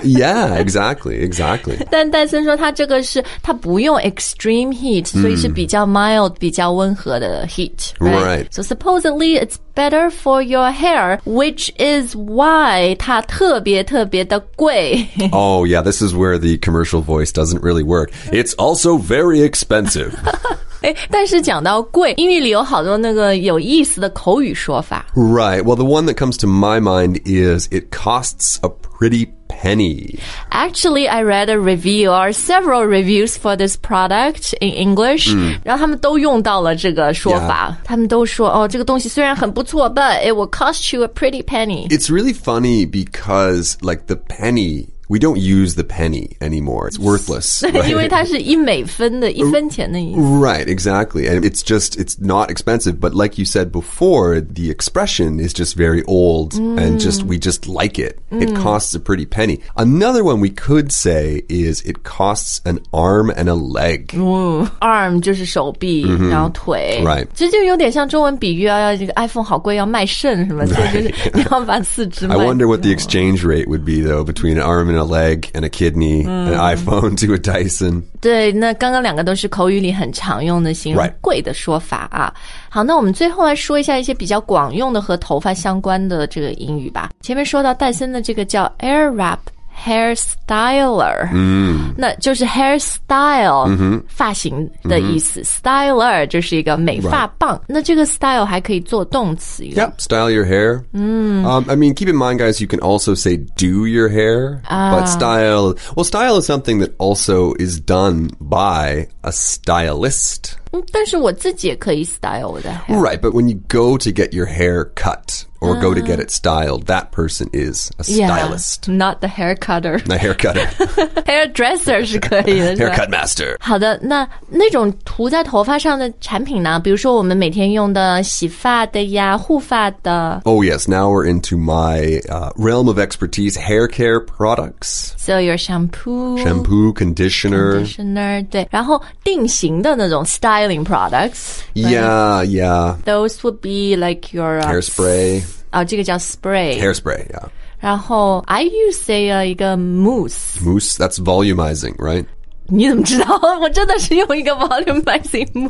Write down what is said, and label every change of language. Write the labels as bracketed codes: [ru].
[en] Yeah, exactly, exactly. [zh] 但戴森说他这个是他不用 [en] extreme heat, [zh] 所以是比较 mild, 比较温和的 heat. [en] Right? Right. So supposedly it's better for your hair, which is why [zh] 它特别特别的贵。 [en] Oh yeah, this is where the commercial voice doesn't really work. It's also very expensive. [zh] 哎，但是讲到贵，英语里有好多那个有意思的口语说法。 [en] Right. Well, the one that comes to my mind is it costs a pretty penny. Actually, I read a review or several reviews for this product in English. [zh] 然后他们都用到了这个说法。 [en] Yeah. [zh] 他们都说，哦，这个东西虽然很不错 ， [en] but it will cost you a pretty penny. It's really funny because like the penny. We don't use the penny anymore. It's worthless. Right? right, exactly. And it's just, it's not expensive. But like you said before, the expression is just very old and just, we just like it. It costs a pretty penny. Another one we could say is it costs an arm and a leg. [zh] Arm 就是手臂然后腿。 [en] Right. [zh] 其实就有点像中文比喻啊 iPhone 好贵要卖肾什么的。就是你要把四肢卖掉。 [en] I wonder what the exchange rate would be though between an arm and a leg and a kidney, an iPhone to a Dyson. [zh] 对，那刚刚两个都是口语里很常用的形容贵的说法啊。好，那我们最后来说一下一些比较广用的和头发相关的这个英语吧。前面说到戴森的这个叫 Airwrap Hairstyler, 那就是 hairstyle, 发型的意思。 Styler 就是一个美发棒。 [en] Right. [zh] 那这个 style 还可以做动词。 [en] Yep, style your hair. I mean, keep in mind, guys, you can also say do your hair, but style, well, style is something that also is done by a stylist. [zh] 但是我自己也可以 style 我的 hair. [en] Right, but when you go to get your hair cut or go to get it styled, that person is a stylist. Yeah, not the hair cutter. The hair cutter. [zh] Hairdresser 是可以的。 [en] Haircut master. [zh] 好的，那那种涂在头发上的产品呢？比如说我们每天用的洗发的呀，护发的。 [en] Oh yes, now we're into my realm of expertise, hair care products. So your shampoo. Shampoo, conditioner. Conditioner, [zh] 对。然后定型的那种 style. [en] Styling products. Yeah, yeah. Those would be like your... Hairspray. [zh] Oh, 这个叫 spray. [en] Hairspray, yeah. [zh] 然后 [en] I use a [zh] 一个 [en] mousse. Mousse, that's volumizing, right? [zh] 你怎么知道？我真的是用一个 volumizing mousse.